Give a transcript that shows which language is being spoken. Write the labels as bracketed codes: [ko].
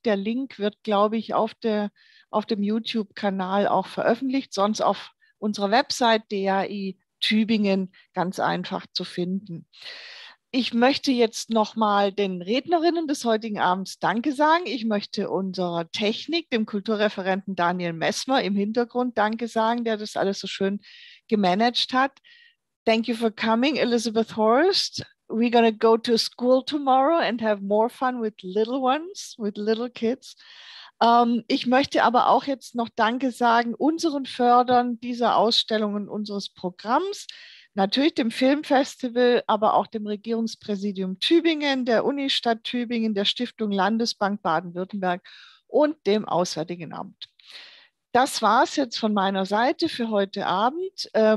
[de] Der Link wird, glaube ich, auf dem YouTube-Kanal auch veröffentlicht, sonst auf unserer Website DAI Tübingen ganz einfach zu finden. Ich möchte jetzt nochmal den Rednerinnen des heutigen Abends Danke sagen. Ich möchte unserer Technik, dem Kulturreferenten Daniel Messmer im Hintergrund, Danke sagen, der das alles so schön gemanagt hat. [en] Thank you for coming, Elizabeth Horst. We're going to go to school tomorrow and have more fun with little ones, with little kids. [de] Ich möchte aber auch jetzt noch Danke sagen unseren Fördern dieser Ausstellung und unseres Programms. Natürlich dem Filmfestival, aber auch dem Regierungspräsidium Tübingen, der Unistadt Tübingen, der Stiftung Landesbank Baden-Württemberg und dem Auswärtigen Amt. Das war es jetzt von meiner Seite für heute Abend.